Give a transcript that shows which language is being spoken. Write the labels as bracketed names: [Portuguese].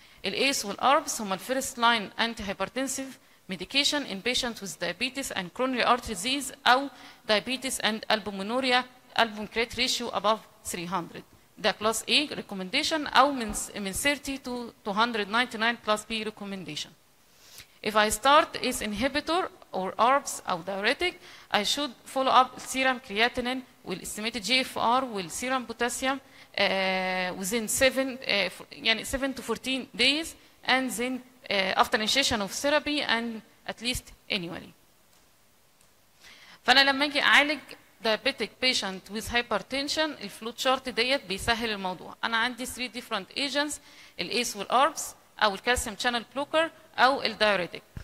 [English] الايس والاربس هما الفيرست line antihypertensive medication in patient with diabetes and coronary artery disease او diabetes and albuminuria albumin creatinine ratio above 300 ده class A recommendation او من 30 to 299 class B recommendation. If I start ACE inhibitor or ARBs or diuretic, I should follow up serum creatinine with estimated GFR with serum potassium within 7 to 14 days and then after initiation of therapy and at least annually. [Arabic] فأنا لما أجي أعالج [English] diabetic patient with hypertension [Arabic] الفلوت شارت ديت بيسهل الموضوع. أنا عندي [English] 3 different agents [Arabic] الACE والARBs أو الكالسيوم شانل بلوكر أو الدايوريتيك.